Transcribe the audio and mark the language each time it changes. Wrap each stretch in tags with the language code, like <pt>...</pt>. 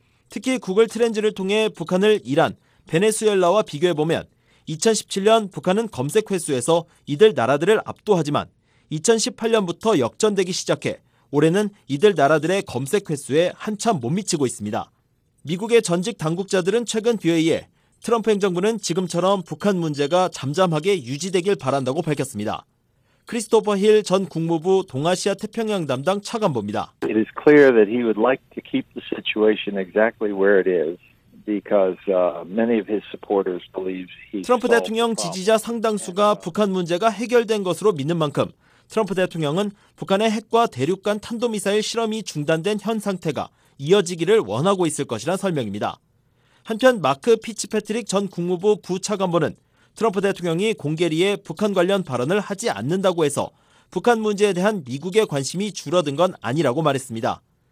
<ko>특히 구글 트렌즈를 통해 북한을 이란, 베네수엘라와 비교해보면 2017년 북한은 검색 횟수에서 이들 나라들을 압도하지만 2018년부터 역전되기 시작해 올해는 이들 나라들의 검색 횟수에 한참 못 미치고 있습니다. 미국의 전직 당국자들은 최근 BOA에 트럼프 행정부는 지금처럼 북한 문제가 잠잠하게 유지되길 바란다고 밝혔습니다. 크리스토퍼 힐 전 국무부 동아시아 태평양 담당 차관보입니다.</ko> <en>It is clear that he would like to keep the situation exactly where it is. Because many of his supporters believe he</en> <ko>트럼프 대통령 지지자 상당수가 북한 문제가 해결된 것으로 믿는 만큼 트럼프 대통령은 북한의 핵과 대륙간 탄도미사일 실험이 중단된 현 상태가 이어지기를 원하고 있을 것이란 설명입니다. 한편 마크 피츠패트릭 전 국무부 부차관보는 트럼프 대통령이 공개리에 북한 관련 발언을 하지 않는다고 해서 북한 문제에 대한 미국의 관심이 줄어든 건 아니라고 말했습니다.</ko>